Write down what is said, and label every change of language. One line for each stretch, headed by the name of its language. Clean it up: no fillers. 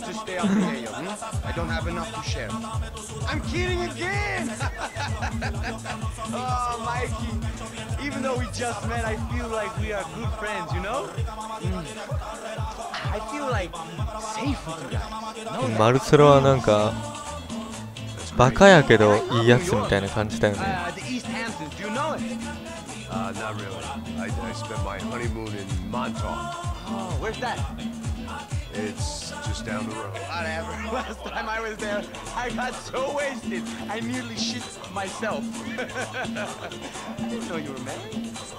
English: Just stay up here, you. I don't have enough to share. I'm kidding again. Oh, Mikey. Even though we just met, I feel like we are good friends, you know? I feel like safe with you guys.
Japanese: マルセロはなんかバカやけどいいやつみたいな感じだよね。
English: The East Hamptons, do you know it? Not really. I spent my honeymoon in Montauk. Oh, where's that? It's just down the road. Whatever. Last time I was there, I got so wasted, I nearly shit myself. I didn't know you were married.